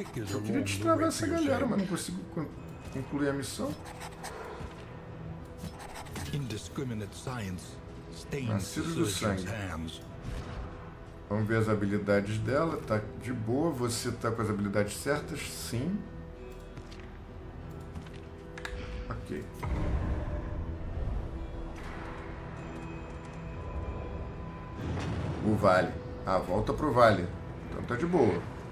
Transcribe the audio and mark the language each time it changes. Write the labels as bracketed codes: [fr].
[pt] Eu queria destravar essa galera, mas não consigo concluir a missão. [en] Indiscriminate science stains the surgeon's hands. [pt] Vamos ver as habilidades dela. Tá de boa. Você tá com as habilidades certas? Sim. Ok. O vale. Ah, volta pro vale. Então tá de boa.